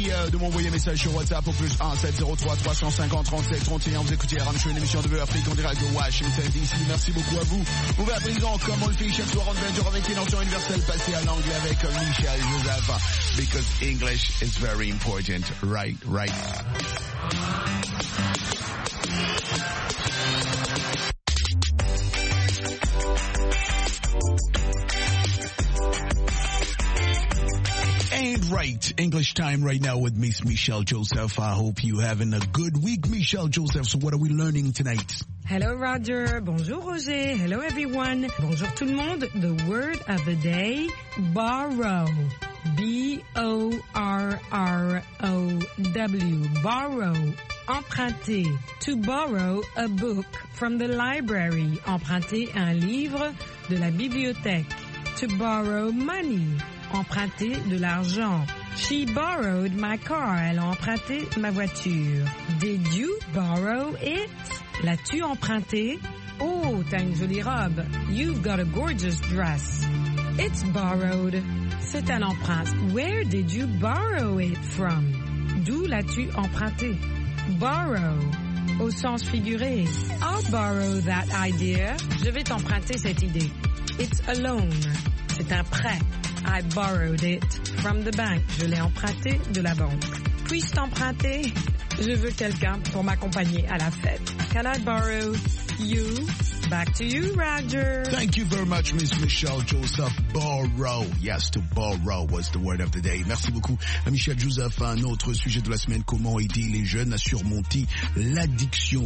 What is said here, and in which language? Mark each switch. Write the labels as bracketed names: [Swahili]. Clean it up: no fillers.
[French] de m'envoyer un message sur WhatsApp au plus 1-703-350-37-31. Vous écoutez RM Show, une émission de Afrique en direct de Washington DC. Merci beaucoup à vous. On va apprendre comme on le fait chaque soir en 20h avec une entière universelle passée à l'anglais avec Michel Joseph. [English] Because English is very important. Right, right. Right, English time right now with Miss Michelle Joseph. I hope you're having a good week, Michelle Joseph. So what are we learning tonight? Hello, Roger. [French] Bonjour, Roger. [English] Hello, everyone. [French] Bonjour, tout le monde. [English] The word of the day, borrow. B-O-R-R-O-W. Borrow. Emprunter. To borrow a book from the library. [French] Emprunter un livre de la bibliothèque. [English] To borrow money. [French] Emprunter de l'argent. [English] She borrowed my car. [French] Elle a emprunté ma voiture. [English] Did you borrow it? [French] L'as-tu emprunté? Oh, t'as une jolie robe. [English] You've got a gorgeous dress. It's borrowed. [French] C'est un emprunt. [English] Where did you borrow it from? [French] D'où l'as-tu emprunté? Borrow. Au sens figuré. [English] I'll borrow that idea. [French] Je vais t'emprunter cette idée. [English] It's a loan. [French] C'est un prêt. [English] I borrowed it from the bank. [French] Je l'ai emprunté de la banque. Puis-je t'emprunter? Je veux quelqu'un pour m'accompagner à la fête. [English] Can I borrow you? Back to you, Roger. Thank you very much, Miss Michelle Joseph. Borrow. Yes, to borrow was the word of the day. [French] Merci beaucoup, Michelle Joseph. Un autre sujet de la semaine, comment aider les jeunes à surmonter l'addiction.